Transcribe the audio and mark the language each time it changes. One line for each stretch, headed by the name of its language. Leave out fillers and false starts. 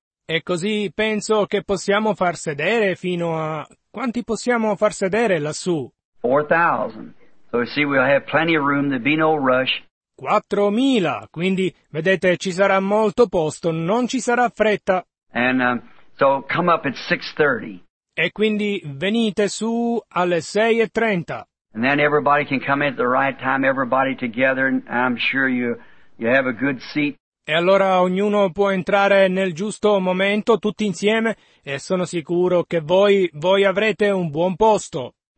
Italian: E così penso che possiamo far sedere fino a... Quanti possiamo far sedere lassù? 4,000.
English: So you see, we'll have plenty of room, there'll be no rush.
Italian: 4,000. Quindi, vedete, ci sarà molto posto, non ci sarà fretta.
English: And so come up at 6:30.
Italian: E quindi venite su alle 6:30.
English: And then everybody can come in at the right time, everybody together, and I'm sure you have a good seat.
Italian: E allora ognuno può entrare nel giusto momento, tutti insieme, e sono sicuro che voi avrete un buon posto.